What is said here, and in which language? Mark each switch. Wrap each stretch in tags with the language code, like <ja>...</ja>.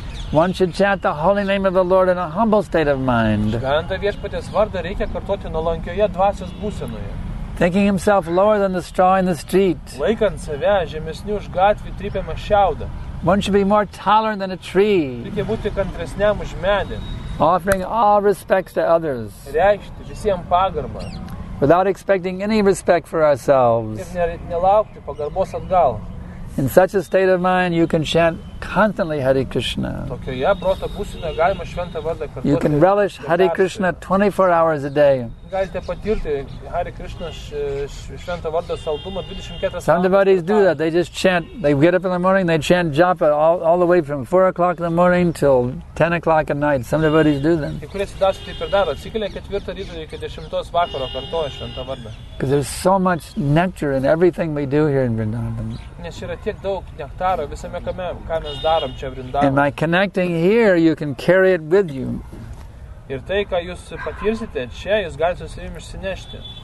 <en>One should chant the holy name of the Lord in a humble state of mind.</en> <lt>Šventą viešpaties vardą reikia kartoti nuolankioje dvasios būsenoje.</lt> <en>Thinking himself lower than the straw in the street.</en> <lt>Laikant save žemesniu už gatvį trypiamą šiaudą.</lt> <en>One should be more tolerant than a tree.</en> <lt>Reikia būti kantresniam už medį.</lt> <en>Offering all respects to others.</en> <lt>Reikšti visiems pagarbą.</lt> <en>Without expecting any respect for ourselves.</en> <lt>Ir nelaukti pagarbos atgal.</lt> <en>In such a state of mind, you can chant constantly Hare Krishna.</en> <lt>Tokioje proto būsenoje galima šventą vardą kartoti.</lt> <en>You can relish Hare Krishna 24 hours a day.</en> <lt>Galite patirti Hare Krishna šventą vardą saldumą 24 valandas.</lt> <en>Some devotees do that. They just chant. They get up in the morning, they chant japa all the way from 4 o'clock in the morning till 10 o'clock at night. Some devotees do that.</en> <lt>Kai kurie sudasi taip ir daro. Atsikelia 4 ryto iki 10 vakaro kartoja šventą vardą.</lt> <en>Because there's so much nectar in everything we do here in Vrindavan.</en> <lt>Nes yra tiek daug nektaro visame kame, ką mes darom čia Vrindavane.</lt> <en>And by connecting here, you can carry it with you.</en> <lt>Ir tai, ką jūs patirsite čia, jūs galite su savimi išsinešti.</lt>